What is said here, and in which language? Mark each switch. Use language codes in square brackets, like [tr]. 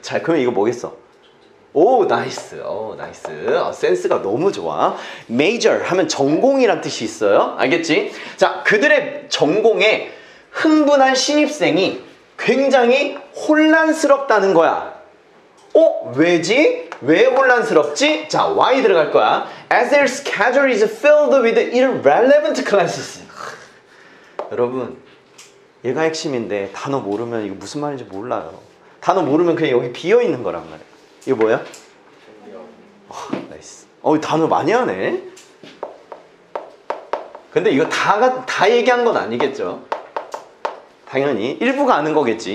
[ko] 자, 그러면 이거 뭐겠어? 오, 나이스. 오, 나이스. 아, 센스가 너무 좋아. 메이저 하면 전공이란 뜻이 있어요. 알겠지? 자, 그들의 전공에 흥분한 신입생이 굉장히 혼란스럽다는 거야. 어? 왜지? 왜 혼란스럽지? 자, why 들어갈 거야. [en] As their schedule is filled with irrelevant classes. [ko] 여러분, 얘가 핵심인데 단어 모르면 이거 무슨 말인지 몰라요. 단어 모르면 그냥 여기 비어있는 거란 말이야. 이거 뭐야? 와, 나이스. 단어 많이 하네. 근데 이거 다 얘기한 건 아니겠죠? 당연히 일부가 아는 거겠지.